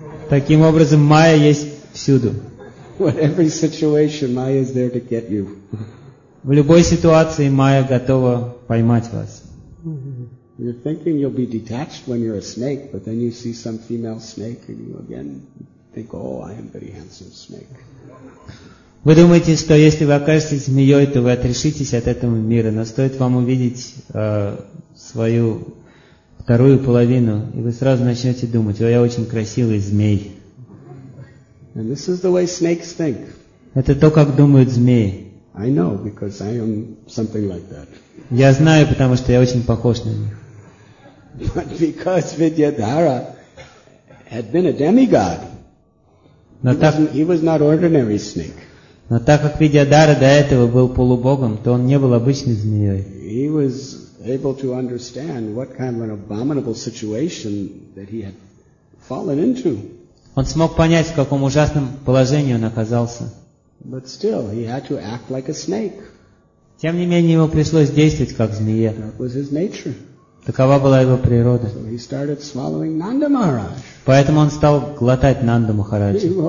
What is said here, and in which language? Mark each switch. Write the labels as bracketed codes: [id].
[ru] Таким образом, Майя есть всюду. [en] Whatever situation, Maya is there to get you. [ru] В любой ситуации Майя готова поймать вас. [en] You're thinking you'll be detached when you're a snake, but then you see some female snake and you again think, oh, I am a very handsome snake. [ru] Вы думаете, что если вы окажетесь змеей, то вы отрешитесь от этого мира, но стоит вам увидеть свою вторую половину, и вы сразу начнете думать, о, я очень красивый змей. [en] And this is the way snakes think. [ru] Это то, как думают змеи. [en] I know, because I am something like that. [ru] Я знаю, потому что я очень похож на них. [en] But because Vidyadhara had been a demigod, he was not ordinary snake. [ru] Но так как Vidyadhara до этого был полубогом, то он не был обычной змеей. [en] He was able to understand what kind of an abominable situation that he had fallen into. [ru] Он смог понять, в каком ужасном положении он оказался. [en] But still, he had to act like a snake. [ru] Тем не менее, ему пришлось действовать как змея. [en] That was his nature. [ru] Такова была его природа. [en] So he started swallowing Nanda Maharaj. [ru] Поэтому он стал глотать Нанда Махараджа.